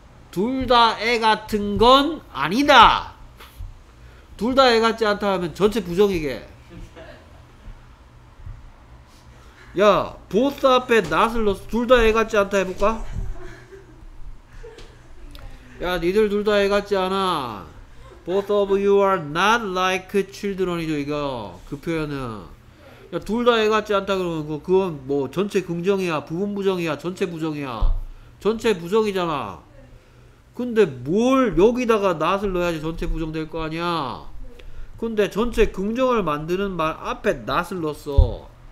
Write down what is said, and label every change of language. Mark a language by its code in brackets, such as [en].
[ko] 둘 다 애 같은 건 아니다! 둘 다 애 같지 않다 하면 전체 부정이게. 야, both 앞에 not을 넣었어. 둘 다 애 같지 않다 해볼까? 야, 니들 둘 다 애 같지 않아. [en] Both of you are not like children이죠, 이거. [ko] 그 표현은. 야, 둘 다 애 같지 않다 그러면 그건 뭐 전체 긍정이야, 부분 부정이야, 전체 부정이야. 전체 부정이잖아. 근데 뭘 여기다가 not을 넣어야지 전체 부정 될 거 아니야. 근데 전체 긍정을 만드는 말 앞에 not을 넣었어.